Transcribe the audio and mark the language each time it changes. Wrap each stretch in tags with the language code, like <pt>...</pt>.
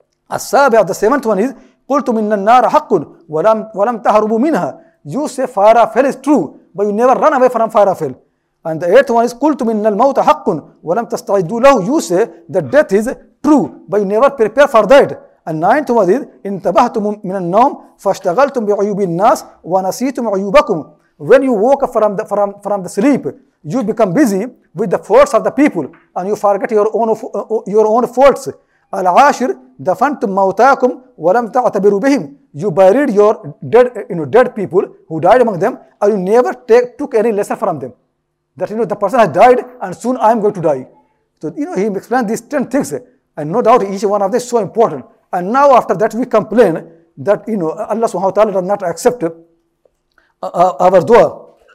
<ar>السابع,</ar> <en>the seventh one is,</en> <ar>قُلْتُمْ إِنَّ النَّارَ حَقٌ وَلَمْ تَهْرُبُوا مِنْهَا.</ar> <en>You say fire of hell is true, but you never run away from fire of hell. And the eighth one is,</en> <ar>قُلْتُمْ إِنَّ الْمَوْتَ حَقٌ وَلَمْ تَسْتَعِدُّوا لَهُ.</ar> <en>You say the death is true, but you never prepare for that. And ninth one is,</en> <ar>انتبهتم من النوم فاشتغلتم بعيوب الناس ونسيتم عيوبكم.</ar> <en>When you woke up from the sleep, you become busy with the faults of the people and you forget your own faults.</en> <ar>العاشر دفنتم موتاكم ولم تعتبروا بهم.</ar> <en>You buried your dead, dead people who died among them, and you never took any lesson from them. That, you know, the person has died and soon I am going to die. So, you know, he explained these 10 things, and no doubt each one of them is so important. And now after that, we complain that, you know, Allah subhanahu wa ta'ala does not accept our dua.</en>